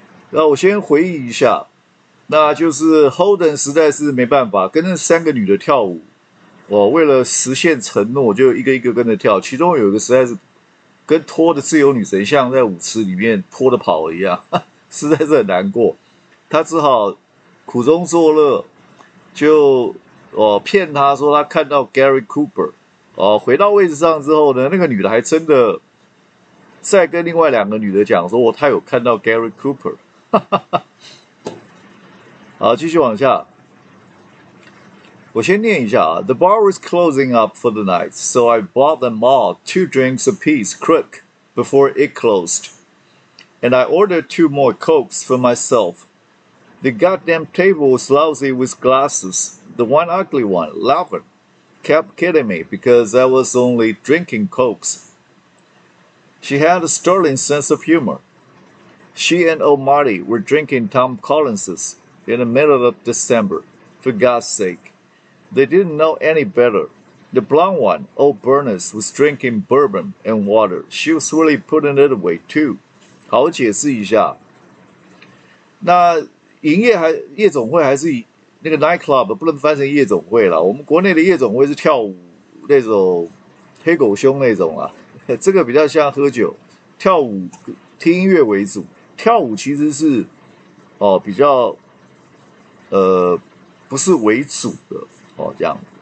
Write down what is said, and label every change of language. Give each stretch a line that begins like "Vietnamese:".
Chinese: 那我先回忆一下，那就是 Holden 实在是没办法跟那三个女的跳舞，我为了实现承诺就一个一个跟着跳，其中有一个实在是跟拖的自由女神像在舞池里面拖的跑一样，实在是很难过，他只好苦中作乐，就骗他说他看到 Gary Cooper。回到位置上之后呢，那个女的还真的再跟另外两个女的讲说，她有看到 Gary Cooper。好，继续往下，我先念一下啊。
English: The bar was closing up for the night, so I bought them all two drinks apiece, quick, before it closed, and I ordered two more cokes for myself. The goddamn table was lousy with glasses, the one ugly one, laughing. Kept kidding me because I was only drinking cokes. She had a sterling sense of humor. She and old Marty were drinking Tom Collins's in the middle of December, for God's sake. They didn't know any better. The blonde one, old Bernice, was drinking bourbon and water. She was really putting it away, too.
Chinese: 好，我解释一下。那营业还夜总会还是那个 nightclub 不能翻成夜总会了，我们国内的夜总会是跳舞那种黑狗兄那种啊，这个比较像喝酒，跳舞听音乐为主，跳舞其实是比较不是为主的这样。